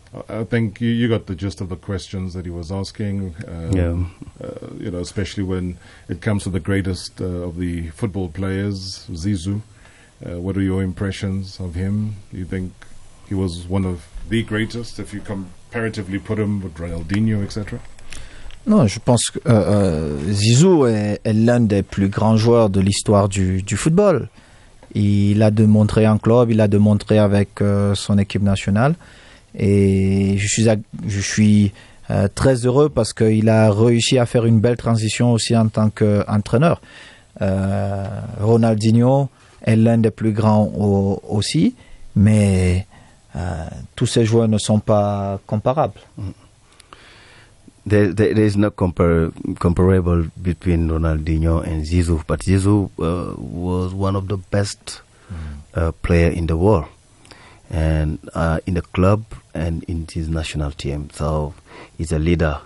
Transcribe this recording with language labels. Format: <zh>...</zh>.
<en>I think you got the gist of the questions that he was asking. Especially when it comes to the greatest of the football players, Zizou. What are your impressions of him? Do you think he was one of the greatest, if you comparatively put him with Ronaldinho, etc.?</en> <fr>Non, je pense que Zizou est l'un des plus grands joueurs de l'histoire du football. Il a démontré en club, il a démontré avec son équipe nationale. Et je suis très heureux parce qu'il a réussi à faire une belle transition aussi en tant qu'entraîneur. Ronaldinho est l'un des plus grands aussi, mais tous ces joueurs ne sont pas comparables.</fr> <en>There is no comparable between Ronaldinho and Zizou, but Zizou was one of the best player in the world. And in the club and in his national team, so he's a leader.</en>